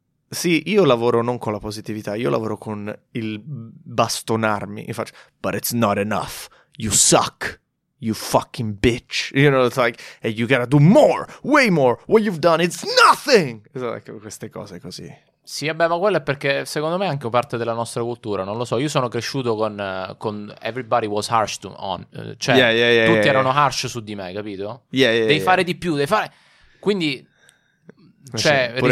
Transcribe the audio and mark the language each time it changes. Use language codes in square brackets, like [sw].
[it] Sì, io lavoro non con la positività, io lavoro con il bastonarmi. Io faccio, [en] but it's not enough. You suck. You fucking bitch. You know, it's like, hey, you gotta do more, way more. What you've done, it's nothing. Like, [it] queste cose così. Sì, vabbè, ma quello è perché, secondo me, è anche parte della nostra cultura. Non lo so, io sono cresciuto con [en] everybody was harsh to on. [it] Cioè, tutti erano harsh su di me, capito? Devi fare di più, devi fare... Quindi, cioè...